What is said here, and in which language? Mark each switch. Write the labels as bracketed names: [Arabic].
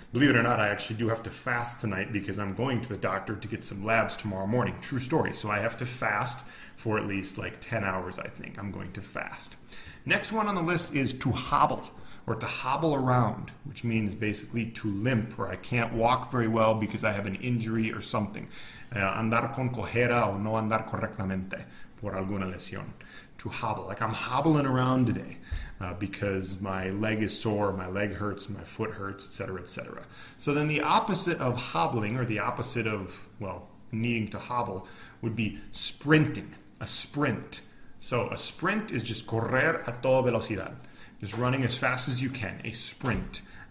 [English] Believe it or not, I actually do have to fast tonight because I'm going to the doctor to get some labs tomorrow morning. True story. So I have to fast for at least like 10 hours, I think. I'm going to fast. Next one on the list is to hobble, or to hobble around, which means basically to limp, or I can't walk very well because I have an injury or something. [Spanish] Andar con cojera o no andar correctamente por alguna lesión. [English] To hobble, like I'm hobbling around today because my leg is sore, my leg hurts, my foot hurts, etc., etc. So then the opposite of hobbling, or the opposite of, well, needing to hobble, would be sprinting, a sprint. So a sprint is just [Spanish] correr a toda velocidad, [English] just running as fast as you can, a sprint.